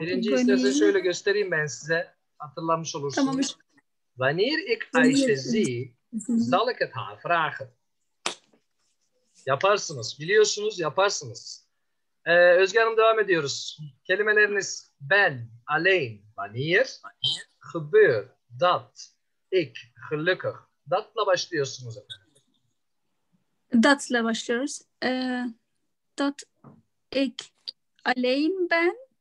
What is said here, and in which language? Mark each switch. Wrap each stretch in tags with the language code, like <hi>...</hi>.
<tr>Birinci istersen şöyle göstereyim ben size. Hatırlamış olursunuz. Tamam.</tr> <nl>Wanneer ik Ayşe zie, zal ik het haar vragen.</nl> <tr>Yaparsınız. Biliyorsunuz yaparsınız. Özge Hanım devam ediyoruz. Kelimeleriniz</tr> <nl>ben, alleen, wanneer, gebeur, dat, ik, gelukkig.</nl> <tr>Dat'la başlıyorsunuz efendim. Dat'la başlıyoruz.</tr> <nl>Dat ik alleen ben.</nl>